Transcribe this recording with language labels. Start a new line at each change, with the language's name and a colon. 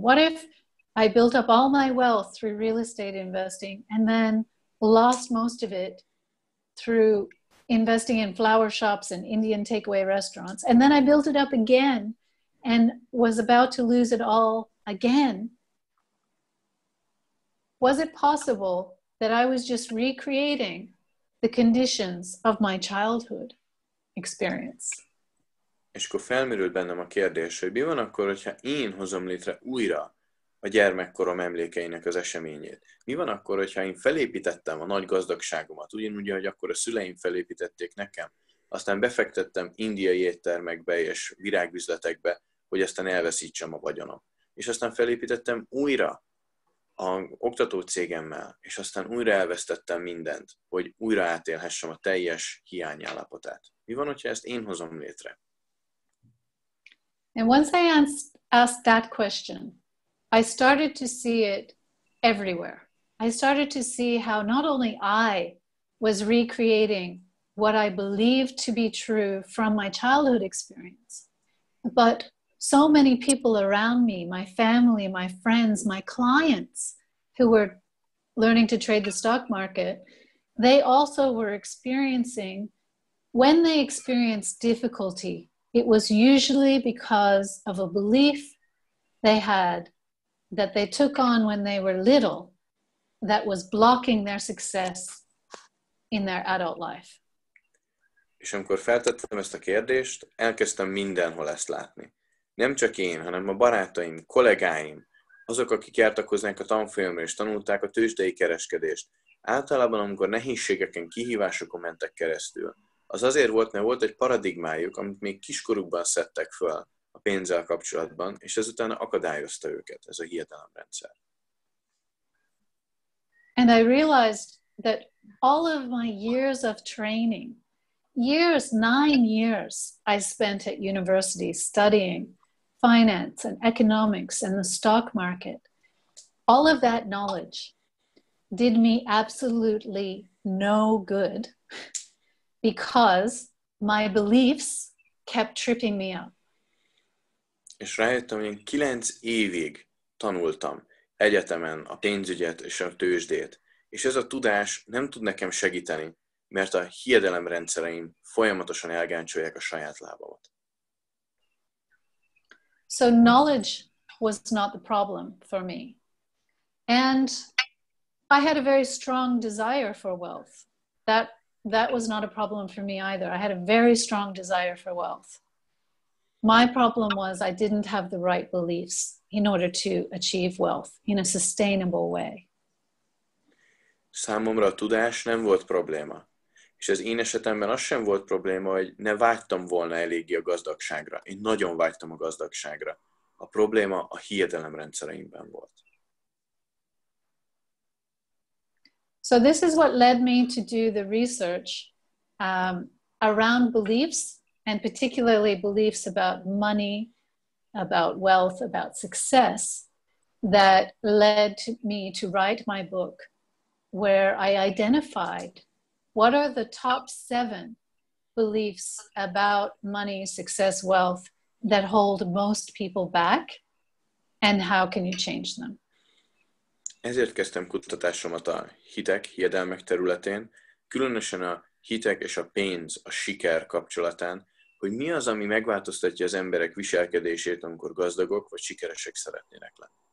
English: What if I built up all my wealth through real estate investing and then lost most of it through investing in flower shops and Indian takeaway restaurants, and then I built it up again and was about to lose it all again? Was it possible that I was just recreating the conditions of my childhood experience?
Hungarian: És akkor felmerült bennem a kérdés, hogy mi van akkor, hogyha én hozom létre újra a gyermekkorom emlékeinek az eseményét? Mi van akkor, hogyha én felépítettem a nagy gazdagságomat, ugyanúgy, ahogy akkor a szüleim felépítették nekem, aztán befektettem indiai éttermekbe és virágüzletekbe, hogy aztán elveszítsem a vagyonom. És aztán felépítettem újra a oktató cégemmel, és aztán újra elvesztettem mindent, hogy újra átélhessem a teljes hiányállapotát. Mi van, hogyha ezt én hozom létre?
English: And once I asked that question, I started to see it everywhere. I started to see how not only I was recreating what I believed to be true from my childhood experience, but so many people around me, my family, my friends, my clients who were learning to trade the stock market, they also were experiencing, when they experienced difficulty, it was usually because of a belief they had that they took on when they were little that was blocking their success in their adult life.
Hungarian: És amikor feltettem ezt a kérdést, elkezdtem mindenhol ezt látni. Nem csak én, hanem a barátaim, kollégáim, azok, akik jártak hozzánk a tanfolyamra és tanulták a tőzsdei kereskedést, általában amikor nehézségeken, kihívásokon mentek keresztül, az azért volt, mert volt egy paradigmájuk, amit még kiskorukban szedtek föl a pénzzel kapcsolatban, és ezután akadályozta őket ez a hiedelemrendszer.
English: And I realized that all of my years of training, years, 9 years I spent at university studying finance and economics and the stock market, all of that knowledge did me absolutely no good because my beliefs kept tripping me up.
Hungarian: És rájöttem, hogy 9 évig tanultam egyetemen a pénzügyet és a tőzsdét, és ez a tudás nem tud nekem segíteni, mert a hiedelemrendszereim folyamatosan elgáncsolják a saját lábamat.
English: So knowledge was not the problem for me. And I had a very strong desire for wealth. That was not a problem for me either. I had a very strong desire for wealth. My problem was I didn't have the right beliefs in order to achieve wealth in a sustainable way.
Hungarian: Számomra a tudás nem volt probléma. És ez én esetemben az sem volt probléma, hogy ne vágytam volna eléggé a gazdagságra. Én nagyon vágytam a gazdagságra. A probléma a hiedelem rendszereimben volt.
English: So this is what led me to do the research around beliefs, and particularly beliefs about money, about wealth, about success, that led me to write my book, where I identified what are the top 7 beliefs about money, success, wealth that hold most people back, and how can you change them?
Hungarian: Ezért kezdtem kutatásomat a hitek, hiedelmek területén, különösen a hitek és a pénz, a siker kapcsolatán, hogy mi az, ami megváltoztatja az emberek viselkedését, amikor gazdagok vagy sikeresek szeretnének lenni.